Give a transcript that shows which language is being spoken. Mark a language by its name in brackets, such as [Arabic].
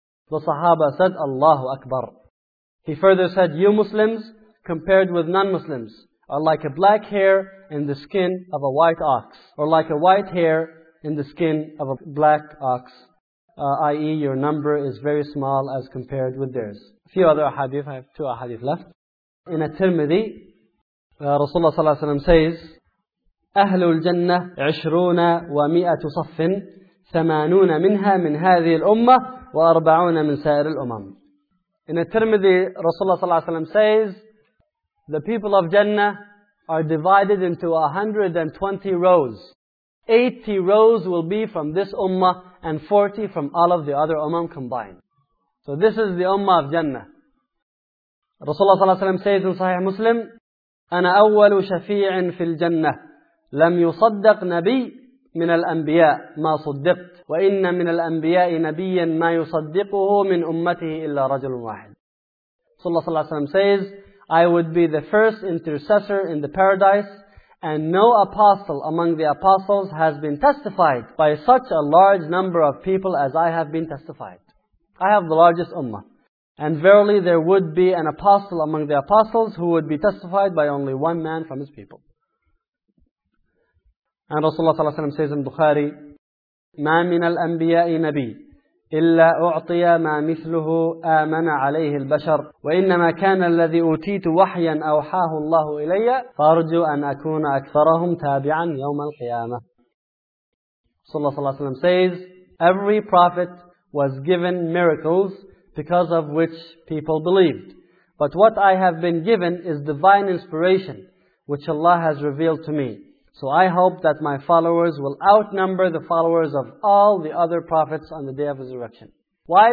[English] The Sahaba said, Allahu Akbar. He further said, you Muslims, compared with non-Muslims, are like a black hair in the skin of a white ox, or like a white hair in the skin of a black ox, i.e. your number is very small as compared with theirs. A few other ahadith, I have two ahadith left. In At-Tirmidhi, Rasulullah sallallahu alayhi wa sallam says, [Arabic] أهل الجنة 20 و100 صف 80 منها من هذه الأمة و40 من سائر الأمم. [English] In At-Tirmidhi, Rasulullah صلى الله عليه وسلم says, the people of Jannah are divided into 120 rows. 80 rows will be from this Ummah and 40 from all of the other Ummah combined. So this is the Ummah of Jannah. [Arabic] Rasulullah صلى الله عليه وسلم [English] says in Sahih Muslim, [Arabic] أنا أول شفيع في الجنة لم يصدق نبي من الأنبياء ما صدقت، وإن من الأنبياء نبيا ما يصدقه من أمته إلا رجل واحد. [English] صلى الله عليه وسلم says, I would be the first intercessor in the paradise, and no apostle among the apostles has been testified by such a large number of people as I have been testified. I have the largest ummah. And verily there would be an apostle among the apostles who would be testified by only one man from his people. And Rasulullah ﷺ says in Bukhari, [Arabic] مَا مِنَ الْأَنْبِيَاءِ نَبِيٍّ إِلَّا أُعْطِيَ مَا مِثْلُهُ آمَنَ عَلَيْهِ الْبَشَرُ وَإِنَّمَا كَانَ الَّذِي أُوتِيتُ وَحْيًا أَوْحَاهُ اللَّهُ إِلَيَّ فَأَرْجُوا أَنْ أَكُونَ أَكْثَرَهُمْ تَابِعًا يَوْمَ الْقِيَامَةِ. [English] Rasulullah ﷺ says, every prophet was given miracles because of which people believed. But what I have been given is divine inspiration which Allah has revealed to me. So I hope that my followers will outnumber the followers of all the other prophets on the day of resurrection. Why?